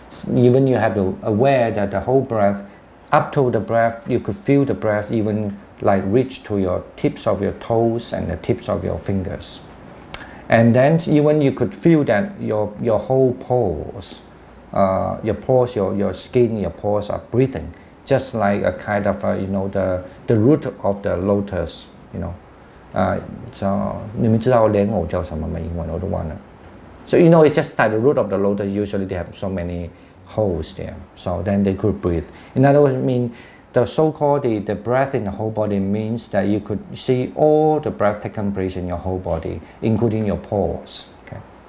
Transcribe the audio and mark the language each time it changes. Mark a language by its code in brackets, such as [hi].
[en] Even you have to aware that the whole breath, up to the breath, you could feel the breath even like reach to your tips of your toes and the tips of your fingers. And then even you could feel that your whole pores, your skin, your pores are breathing, just like a kind of, the root of the lotus, you know. [zh] So, 你们知道莲藕叫什么吗？英文我都忘了。 [en] So, you know, it's just like the root of the lotus, usually they have so many holes there. So then they could breathe. In other words, I mean, the so-called the breath in the whole body means that you could see all the breath taken place in your whole body, including your pores. Okay.